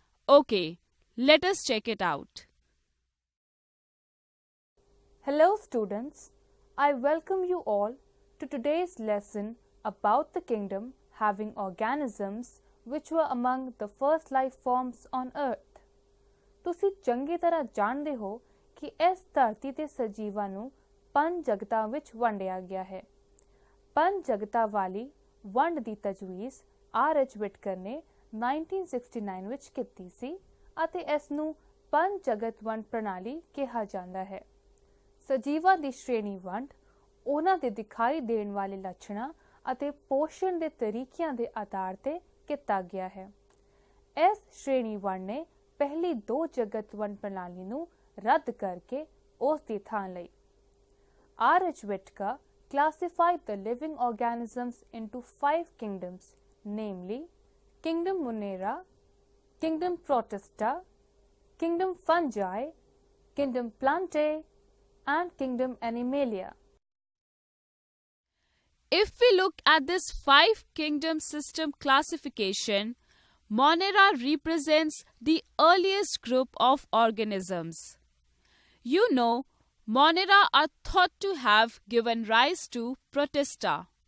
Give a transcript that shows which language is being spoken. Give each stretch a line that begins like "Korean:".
English: Okay, let us check it out. Hello students, I welcome you all to today's lesson about the kingdom having organisms which were among the first life forms on earth.
Punjabi: ਤੁਸੀਂ ਚੰਗੀ ਤਰ੍ਹਾਂ ਜਾਣਦੇ ਹੋ ਕਿ ਇਸ ਧਰਤੀ ਤੇ ਸਜੀਵਾਂ ਨੂੰ ਪੰਜ ਜਗਤਾਂ ਵਿੱਚ ਵੰਡਿਆ ਗਿਆ ਹੈ। ਪੰਜ ਜਗਤਾਂ ਵਾਲੀ ਵੰਡ ਦੀ ਤਜਵੀਜ਼ ਆਰ ਐਚ ਵਿਟਕਰ ਨੇ 1969 ਵਿੱਚ ਕੀਤੀ ਸੀ ਅਤੇ ਇਸ ਨੂੰ ਪੰਜ ਜਗਤ ਵੰਡ ਪ੍ਰਣਾਲੀ ਕਿਹਾ ਜਾਂਦਾ ਹੈ। ਸਜੀਵਾਂ ਦੀ ਸ਼੍ਰੇਣੀ ਵੰਡ ਉਹਨਾਂ ਦੇ ਦਿਖਾਈ ਦੇਣ ਵਾਲੇ ਲੱਛਣਾਂ ਅਤੇ ਪੋਸ਼ਣ ਦੇ ਤਰੀਕਿਆਂ ਦੇ ਆਧਾਰ ਤੇ ਕੀਤਾ ਗਿਆ ਹੈ। ਇਸ ਸ਼੍ਰੇਣੀ ਵੰਡ ਨੇ ਪਹਿਲੀ ਦੋ ਜਗਤ ਵੰਡ ਪ੍ਰਣਾਲੀ ਨੂੰ ਰੱਦ ਕਰਕੇ ਉਸ ਦੀ ਥਾਂ ਲਈ।
English: R H Whittaker classified the living organisms into five kingdoms, namely kingdom Monera, kingdom Protista, kingdom Fungi, kingdom Plantae and kingdom Animalia. If we look at this five kingdom system classification, Monera represents the earliest group of organisms. You know, Monera are thought to have given rise to Protista.